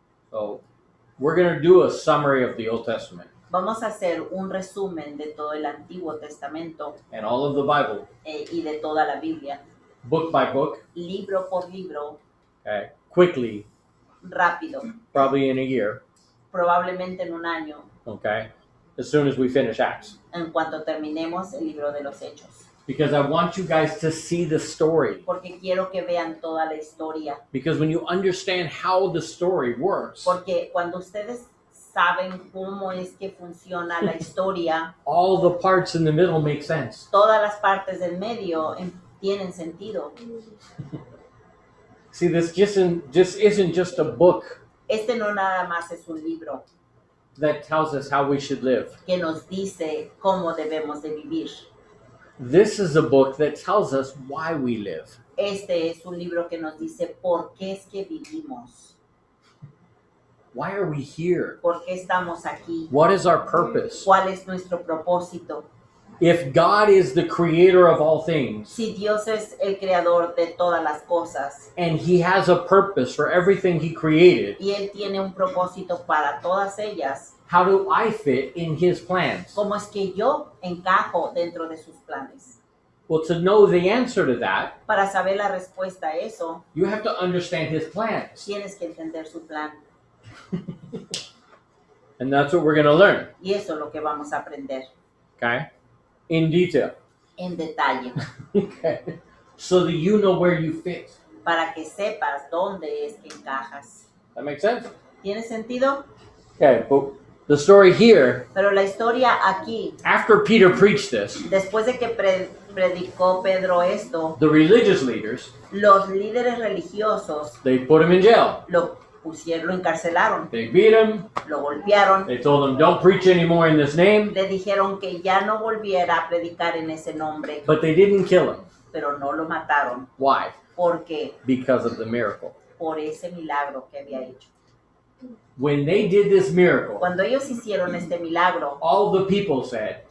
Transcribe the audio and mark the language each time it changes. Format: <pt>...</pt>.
<en>So, we're going to do a summary of the Old Testament.</en> <es>Vamos a hacer un resumen de todo el Antiguo Testamento.</es> <en>And all of the Bible.</en> <es>Y de toda la Biblia.</es> <en>Book by book.</en> <es>Libro por libro.</es> <en>Okay. Quickly.</en> <es>Rápido.</es> <en>Probably in a year.</en> <es>Probablemente en un año.</es> <en>Okay. As soon as we finish Acts.</en> <es>En cuanto terminemos el libro de los Hechos.</es> <en>Because I want you guys to see the story.</en> <es>Porque quiero que vean toda la historia.</es> <en>Because when you understand how the story works.</en> <es>Porque cuando ustedes saben cómo es que funciona la historia.</es> <en>All the parts in the middle make sense.</en> <es>Todas las partes del medio tienen sentido.</es> <en>See, this isn't just a book.</en> <es>Este no nada más es un libro.</es> <en>That tells us how we should live.</en> <es>Que nos dice cómo debemos de vivir.</es> <en>This is a book that tells us why we live.</en> <es>Este es un libro que nos dice por qué es que vivimos.</es> <en>Why are we here?</en> <es>¿Por qué estamos aquí?</es> <en>What is our purpose?</en> <es>¿Cuál es nuestro propósito?</es> <en>If God is the creator of all things.</en> <es>Si Dios es el creador de todas las cosas.</es> <en>And he has a purpose for everything he created.</en> <es>Y él tiene un propósito para todas ellas.</es> <en>How do I fit in his plans?</en> <es>¿Cómo es que yo encajo dentro de sus planes?</es> <en>Well, to know the answer to that.</en> <es>Para saber la respuesta a eso.</es> <en>You have to understand his plans.</en> <es>Tienes que entender su plan.</es> <en>And that's what we're going to learn.</en> <es>Y eso es lo que vamos a aprender.</es> <en>Okay. In detail.</en> <es>En detalle.</es> <en>Okay. So that you know where you fit.</en> <es>Para que sepas dónde es que encajas.</es> <en>That makes sense?</en> <es>¿Tiene sentido?</es> <en>Okay. But the story here.</en> <es>Pero la historia aquí.</es> <en>After Peter preached this.</en> <es>Después de que predicó Pedro esto.</es> <en>The religious leaders.</en> <es>Los líderes religiosos.</es> <en>They put him in jail.</en> <es>Lo encarcelaron.</es> <en>They beat him.</en> <es>Lo golpearon.</es> <en>They told him, don't preach anymore in this name.</en> <es>Le dijeron que ya no volviera a predicar en ese nombre.</es> <en>But they didn't kill him.</en> <es>Pero no lo mataron.</es> <en>Why?</en> <es>¿Por qué?</es> <en>Because of the miracle.</en> <es>Por ese milagro que había hecho.</es> <en>When they did this miracle.</en> <es>Cuando ellos hicieron este milagro.</es> <en>All the people said.</en>